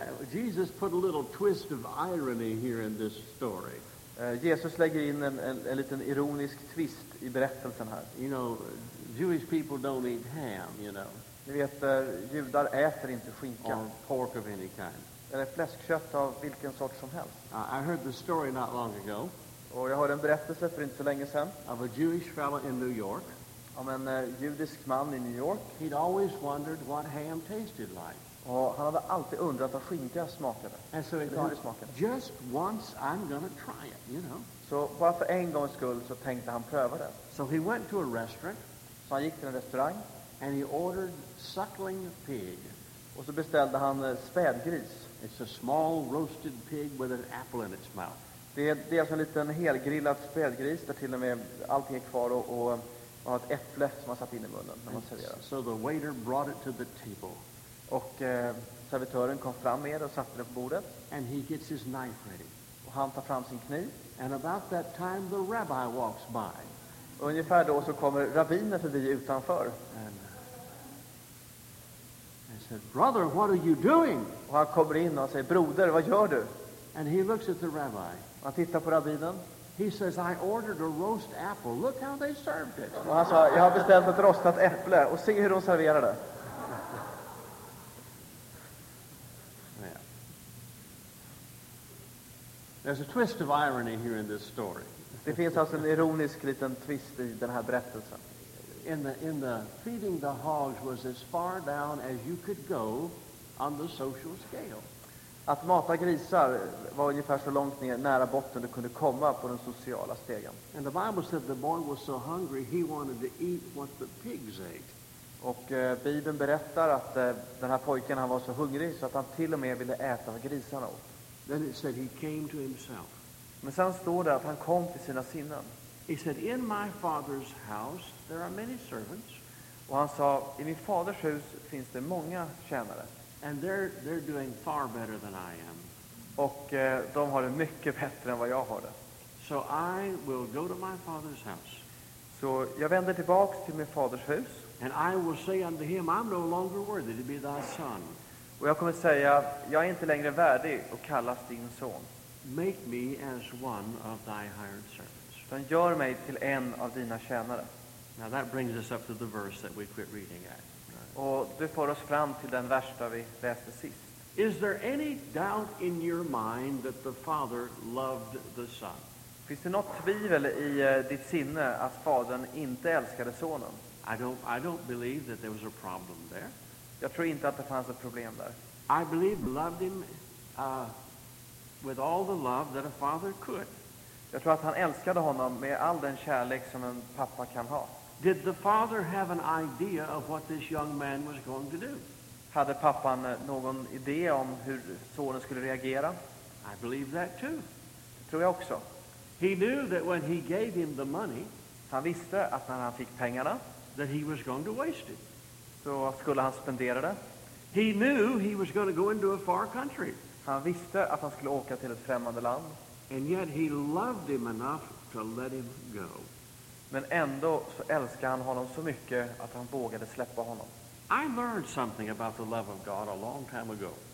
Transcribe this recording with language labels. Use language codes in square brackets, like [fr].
[en] Jesus put a little twist of irony here in this story. [sv] Jesus lägger in en liten ironisk twist i berättelsen här. [en] You know, Jewish people don't eat ham, you know. [sv] Ni vet, judar äter inte skinka. [en] Or pork of any kind. [sv] Eller fläskkött av vilken sort som helst. [en] I heard the story not long ago. [sv] Och jag hörde en berättelse för inte så länge sedan. [en] Of a Jewish fellow in New York. [sv] Om en judisk man i New York. [en] He'd always wondered what ham tasted like. [sv] Och han hade alltid undrat vad skinka smakade. [en] And so he thought, just once I'm gonna try it, you know. [sv] Så bara för en gångs skull så tänkte han pröva det. [en] So he went to a restaurant. [sv] Så han gick till en restaurang. [en] And he ordered suckling pig. [sv] Och så beställde han spädgris. [en] It's a small roasted pig with an apple in its mouth. [sv] Det är alltså en liten helgrillad spädgris där till och med allting är kvar och har ett äpple som man satt in i munnen när man serverar. [en] So the waiter brought it to the table. [sv] Och servitören kom fram med och satte det på bordet. [en] And he gets his knife ready. [sv] Och han tar fram sin kniv. [en] And about that time the rabbi walks by. [sv] Och ungefär då så kommer rabbinen förbi utanför. [en] He said, brother, what are you doing? [sv] Och han kommer in och säger, broder, vad gör du? [en] And he looks at the rabbi. [sv] Och han tittar på rabbinen. [en] He says, I ordered a roast apple. Look how they served it. [sv] Och han sa, jag har beställt ett rostat äpple. Och se hur de serverar det. [en] Yeah. There's a twist of irony here in this story. [sv] Det finns alltså en ironisk liten twist i den här berättelsen. [en] In the feeding the hogs was as far down as you could go on the social scale. [sv] Att mata grisar var ungefär så långt ner nära botten du kunde komma på den sociala stegen. [en] And the Bible said the boy was so hungry he wanted to eat what the pigs ate. [sv] Och Bibeln berättar att den här pojken han var så hungrig så att han till och med ville äta vad grisarna åt. [en] Then it said he came to himself. [sv] Men sen står det att han kom till sina sinnen. [en] He said, in my father's house there are many servants. [sv] Och han sa, i min faders hus finns det många tjänare. [en] And they're doing far better than I am. [sv] Och de har det mycket bättre än vad jag har det. [en] So I will go to my father's house. [sv] Så jag vänder tillbaka till min faders hus. [en] And I will say unto him, I'm no longer worthy to be thy son. [sv] Och jag kommer säga, jag är inte längre värdig att kallas din son. [en] Make me as one of thy hired servants. [sv] Den gör mig till en av dina tjänare. [en] Now that brings us up to the verse that we quit reading at. [sv] Och det får oss fram till den vers där vi läste sist. [en] Is there any doubt in your mind that the Father loved the Son? [sv] Finns det något tvivel i ditt sinne att Fadern inte älskade Sonen? [en] I don't believe that there was a problem there. [sv] Jag tror inte att det fanns ett problem där. [en] I believe loved him with all the love that a father could. [sv] Jag tror att han älskade honom med all den kärlek som en pappa kan ha. [en] Did the father have an idea of what this young man was going to do? [sv] Hade pappan någon idé om hur sonen skulle reagera? [en] I believe that too. [sv] Det tror jag också. [en] He knew that when he gave him the money, [sv] han visste att när han fick pengarna, [en] that he was going to waste it. [sv] Så skulle han spendera det. [en] He knew he was going to go into a far country. [sv] Han visste att han skulle åka till ett främmande land. [en] And yet he loved him enough to let him go. [sv] Men ändå så älskade han honom så mycket att han vågade släppa honom. [en] I learned something about the love of God a long time ago.